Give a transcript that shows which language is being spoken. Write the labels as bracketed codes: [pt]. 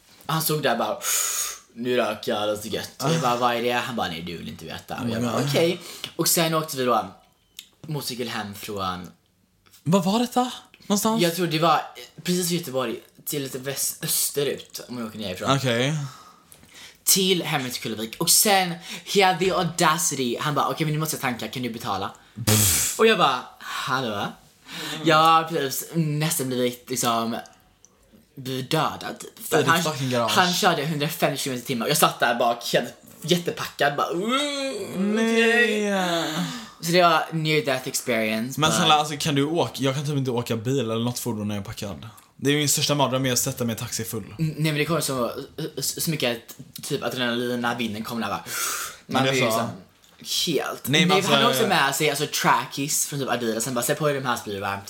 [sv] Han såg där bara, nu röker jag, det är så gött. Och jag bara, vad är det? Han bara, nej, du vill inte veta. Och jag bara, okej. Okay. Och sen åkte vi då motorcykel hem från... Vad var detta? Någonstans? Jag tror det var precis i Göteborg, till lite väst, österut, om jag åker nerifrån. Okej. Okay. Till hemmet till Kullavik. Och sen, [en] he had the audacity. [sv] Han bara, okej, okay, men nu måste jag tanka, kan du betala? Pff. Och jag bara, hallå? Mm. Jag har precis nästan blivit liksom... blev dödad. För oh, han körde 150 km i timmar. Jag satt där bak helt jättepackad bara. Nej. Så det var [en] near death experience. [sv] Men snälla, alltså, kan du åka? Jag kan typ inte åka bil eller något fordon när jag är packad. Det är min största mardröm att sätta mig i taxi full. Nej, men det kommer så mycket typ adrenalin när vinden kommer där. Man blir liksom helt. Nej, men alltså, han har också med sig alltså trackies från typ Adidas. Sen bara, se på hur de här blir varmt.